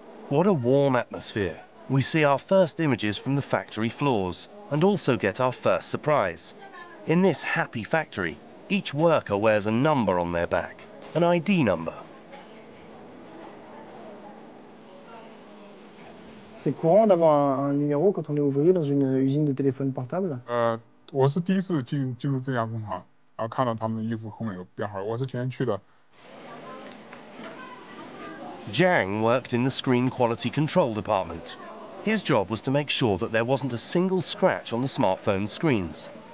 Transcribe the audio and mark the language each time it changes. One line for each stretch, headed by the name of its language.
English: What a warm atmosphere. We see our first images from the factory floors and also get our first surprise. In this happy factory, each worker wears a number on their back, an ID number.
French: C'est courant d'avoir un numéro quand on est ouvrier dans une usine de téléphone portable.
Chinese: 我是第一次进入这家工厂，然后看到他们衣服后面有编号，我是之前去的。
English: Jiang worked in the screen quality control department. His job was to make sure that there wasn't a single scratch on the smartphone screens.